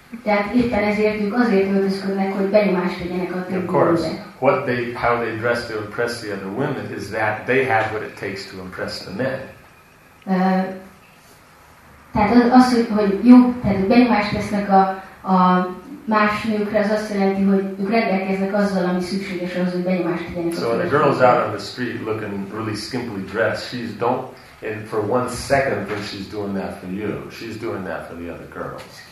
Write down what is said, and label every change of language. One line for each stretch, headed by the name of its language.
Hungarian: Tehát éppen ezért ők azért öltözködnek, hogy benyomást tegyenek a többi nőkre.
English: What they, how they dress to impress the other women is that they have what it takes to impress the men.
Hungarian: Tehát az, hogy jó, tehát benyomást tesznek a más nőkre, az azt jelenti, hogy ők rendelkeznek azzal, ami szükséges ahhoz, hogy benyomást tegyenek.
English: So when a girl's out on the street looking really skimpily dressed, she's don't, and for one second think she's doing that for you. She's doing that for the other girls.